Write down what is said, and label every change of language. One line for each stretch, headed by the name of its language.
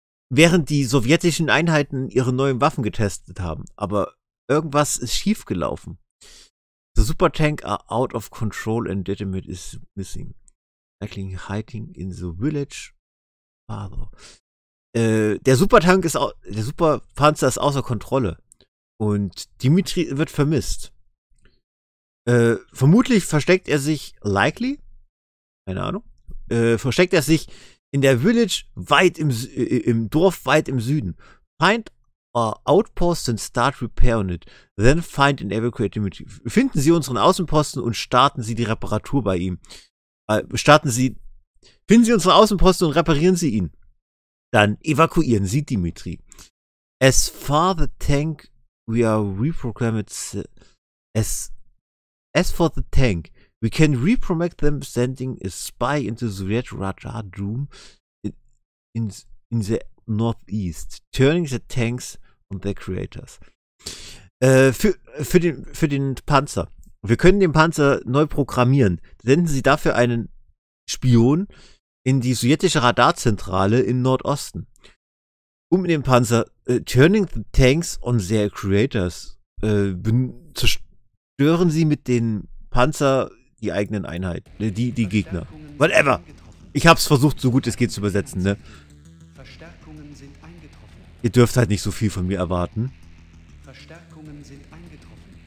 German: Während die sowjetischen Einheiten ihre neuen Waffen getestet haben. Aber irgendwas ist schiefgelaufen.
English: The Super Tank are out of control and Detemit is missing. Likely hiding in the village. Father.
German: Der Superpanzer ist außer Kontrolle. Und Dimitri wird vermisst. Vermutlich versteckt er sich, likely? Keine Ahnung. Versteckt er sich in der Village weit im Dorf weit im Süden.
English: Find our outpost and start repair on it. Then find and evacuate him.
German: Finden Sie unseren Außenposten und starten Sie die Reparatur bei ihm. Finden Sie unseren Außenposten und reparieren Sie ihn. Dann evakuieren Sie Dimitri.
English: As far the tank we are reprogrammed as for the tank, we can reprogram them sending a spy into the Soviet radar room in the northeast, turning the tanks on their creators.
German: Für den Panzer. Wir können den Panzer neu programmieren. Senden Sie dafür einen Spion in die sowjetische Radarzentrale im Nordosten. Um den Panzer
English: turning the tanks on their creators.
German: Stören Sie mit den Panzer die eigenen Einheiten, die Gegner. Whatever. Ich hab's versucht, so gut es geht zu übersetzen, ne? Verstärkungen sind eingetroffen. Ihr dürft halt nicht so viel von mir erwarten. Verstärkungen sind eingetroffen.